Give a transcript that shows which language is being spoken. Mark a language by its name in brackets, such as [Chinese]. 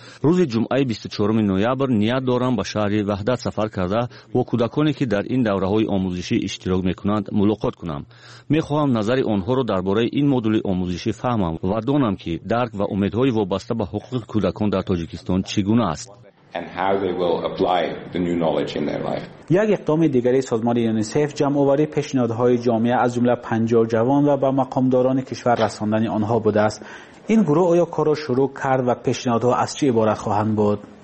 [Persian] روز جمعه 24 نویبر نیت دارم به شهر وحدت سفر کرده و کودکانی که در این دوره های آموزشی اشتراک میکنند ملاقات کنم. میخواهم نظر آنها را درباره این مدل آموزشی فهمم و دانم که درک و امیدهای وابسته به حقوق کودکان در تاجیکستان چگونه است. [English] And how they will apply the new knowledge in their life. [Persian] یک اقدام دیگری سازمان یونیسف جمع آوری پیشنهادهای جامعه از جمله 50 جوان و به مقامداران کشور رساندن آنها بوده است. این گروه آیا کار را شروع کرد و پیشنهادها از چه عبارت خواهند بود؟